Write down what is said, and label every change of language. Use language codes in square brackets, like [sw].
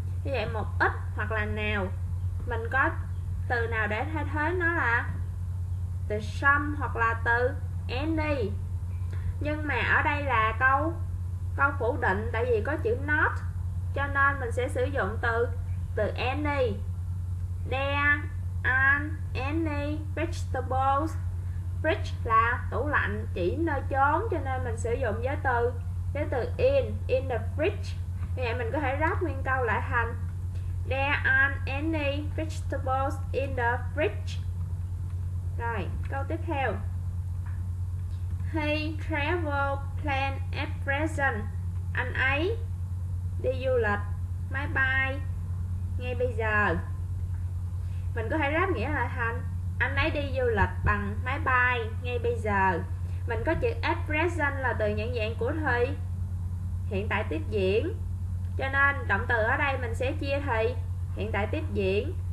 [vi] Như vậy một ít hoặc là nào, mình có từ nào để thay thế nó là từ some hoặc là từ any. Nhưng mà ở đây là câu câu phủ định, tại vì có chữ not, cho nên mình sẽ sử dụng từ từ any. [en] There aren't any vegetables. [vi] Fridge là tủ lạnh, chỉ nơi chốn, cho nên mình sử dụng với từ [en] in the fridge. [vi] Như vậy mình có thể ráp nguyên câu lại thành [en] there aren't any vegetables in the fridge. [vi] Rồi, câu tiếp theo. [en] He travel plan at present. [vi] Anh ấy đi du lịch máy bay ngay bây giờ. Mình có thể ráp nghĩa là thành anh ấy đi du lịch bằng máy bay ngay bây giờ. Mình có chữ at present là từ nhận dạng của thì hiện tại tiếp diễn, cho nên động từ ở đây mình sẽ chia thì hiện tại tiếp diễn.